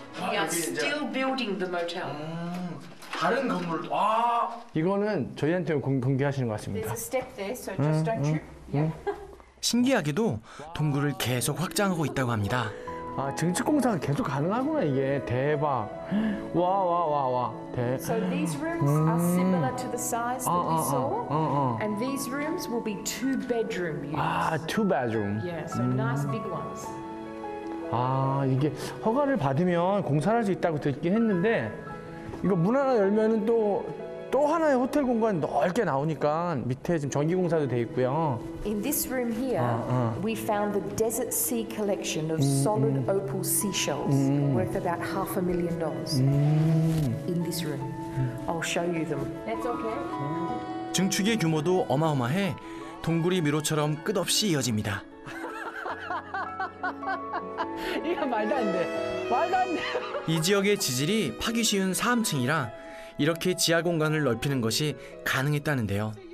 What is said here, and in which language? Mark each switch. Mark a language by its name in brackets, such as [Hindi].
[English] We are still building the motel. [Korean] 다른 건물. 와. 이거는 저희한테 공개하시는 것 같습니다. [English] There's a step there, so just don't trip. [Korean] 신기하게도 동굴을 계속 확장하고 있다고 합니다. 아, 증축 공사가 계속 가능하구나 이게. 대박. 와. 대박. [English] So these rooms are similar to the size that we saw. And these rooms will be two bedroom units. [Korean] 아, [English] two bedroom. Yeah, so nice big ones. [Korean] 아, 이게 허가를 받으면 공사를 할 수 있다고 듣긴 했는데 이거 문 하나 열면은 또 하나의 호텔 공간이 넓게 나오니까 밑에 지금 전기 공사도 돼 있고요. [English] In this room here, we found the Desert Sea collection of solid opal seashells worth about $500,000 in this room. I'll show you them. That's okay. [Korean] 증축의 규모도 어마어마해 동굴이 미로처럼 끝없이 이어집니다. 이거 말도 안 돼. 말도 안 돼. 이 지역의 지질이 파기 쉬운 4함층이라 이렇게 지하 공간을 넓히는 것이 가능했다는데요.